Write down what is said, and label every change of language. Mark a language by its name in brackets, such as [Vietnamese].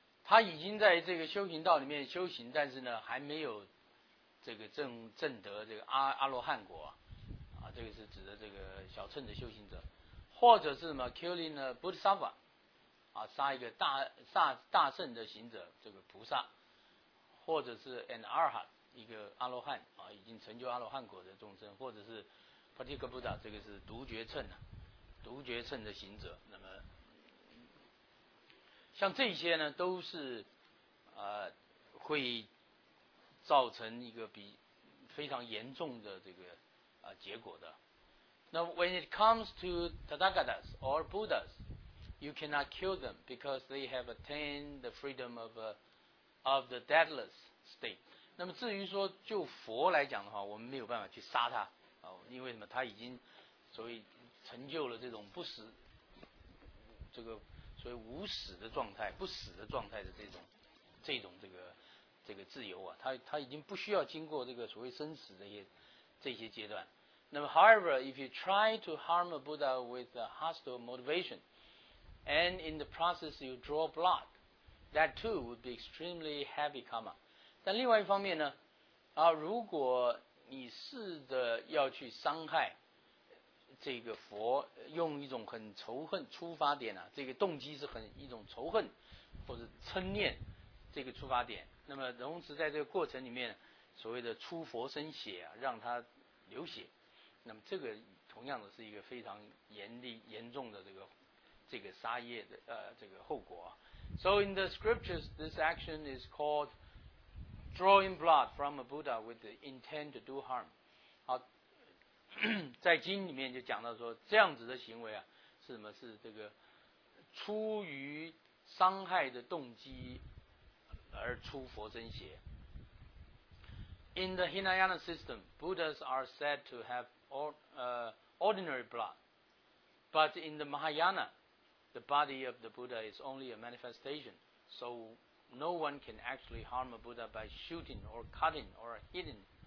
[Chinese] 他已经在这个修行道里面修行，但是呢还没有这个正得这个阿罗汉果啊，这个是指的这个小乘的修行者，或者是什么 [English] killing a bodhisattva [Chinese] 啊，杀一个大圣的行者，这个菩萨，或者是 [English] an arhat [Chinese] 一个阿罗汉啊，已经成就阿罗汉果的众生，或者是 pratika buddha 这个是独觉乘啊，独觉乘的行者，那么。像这些呢都是会造成一个比非常严重的这个结果的。 [English] Now when it comes to Tathagatas or Buddhas, you cannot kill them because they have attained the freedom of the deathless state. [Chinese] 那么至于说就佛来讲的话，我们没有办法去杀他，因为什么，他已经所谓成就了这种不死这个所以无死的状态，不死的状态的这种这个自由啊，他已经不需要经过这个所谓生死这些阶段。 [English] 那么 however, if you try to harm a Buddha with a hostile motivation, and in the process you draw blood, that too would be extremely heavy karma. [Chinese] 但另外一方面呢，如果你试着要去伤害这个佛，用一种很仇恨出发点啊，这个动机是很一种仇恨或者嗔念这个出发点，那么同时在这个过程里面所谓的出佛身血啊，让他流血，那么这个同样的是一个非常严重的这个杀业的这个后果啊。 [English] So in the scriptures, this action is called drawing blood from a Buddha with the intent to do harm. [Chinese] 好，在经里面就讲到说，这样子的行为啊，是什么？是这个出于伤害的动机而出佛身血。 [English] In the Hinayana system, Buddhas are said to have ordinary blood, but in the Mahayana, the body of the Buddha is only a manifestation, so no one can actually harm a Buddha by shooting or cutting or hitting.